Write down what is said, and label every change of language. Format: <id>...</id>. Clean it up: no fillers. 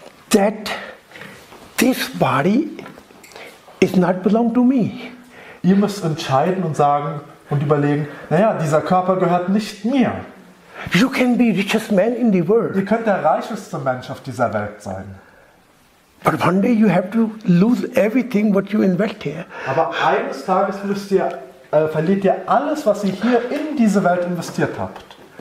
<en>that this body is not belong to me.</en> <de>Ihr müsst entscheiden und sagen und überlegen. Naja, dieser Körper gehört nicht mir.</de> <en>You can be richest man in the world.</en> <de>Ihr könnt der reichste Mensch auf dieser Welt sein.</de> <en>But one day you have to lose everything what you invest here.</en> <de>Aber eines Tages verliert ihr alles, was ihr hier in diese Welt investiert habt.</de>